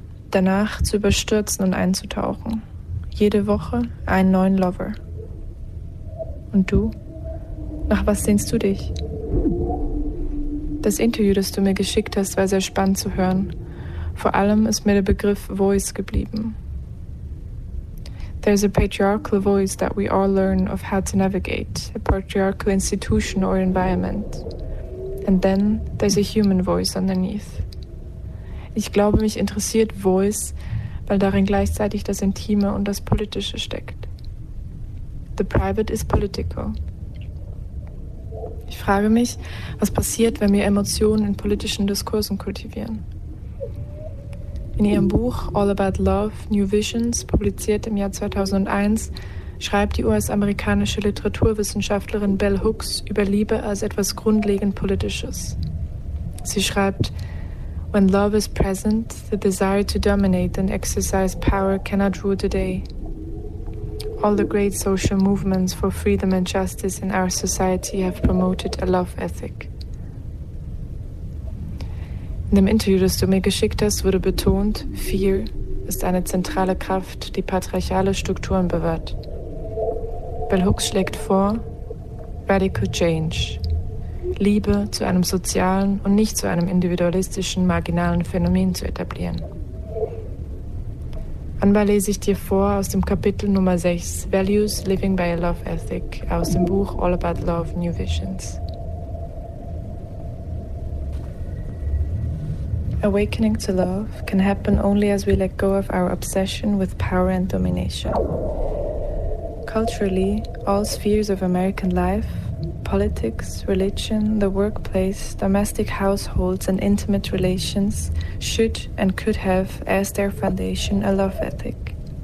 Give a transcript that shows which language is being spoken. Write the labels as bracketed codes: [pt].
[de] Danach zu überstürzen und einzutauchen. Jede Woche einen neuen Lover. Und du? Nach was sehnst du dich? Das Interview, das du mir geschickt hast, war sehr spannend zu hören. Vor allem ist mir der Begriff Voice geblieben. [en] There's a patriarchal voice that we all learn of how to navigate, a patriarchal institution or environment. And then there's a human voice underneath. [de] Ich glaube, mich interessiert Voice, weil darin gleichzeitig das Intime und das Politische steckt. [en] The private is political. [de] Ich frage mich, was passiert, wenn wir Emotionen in politischen Diskursen kultivieren. In ihrem Buch All About Love, New Visions, publiziert im Jahr 2001, schreibt die US-amerikanische Literaturwissenschaftlerin Bell Hooks über Liebe als etwas grundlegend Politisches. Sie schreibt: [en] When love is present, the desire to dominate and exercise power cannot rule the day. All the great social movements for freedom and justice in our society have promoted a love ethic. [de] In dem Interview, das du mir geschickt hast, wurde betont, Fear ist eine zentrale Kraft, die patriarchale Strukturen bewahrt. Bell Hooks schlägt vor, Radical Change, Liebe zu einem sozialen und nicht zu einem individualistischen, marginalen Phänomen zu etablieren. Anbei lese ich dir vor aus dem Kapitel Nummer 6, Values Living by a Love Ethic, aus dem Buch All About Love, New Visions. [en] Awakening to love can happen only as we let go of our obsession with power and domination. Culturally, all spheres of American life, politics, religion, the workplace, domestic households, and intimate relations should and could have as their foundation a love ethic.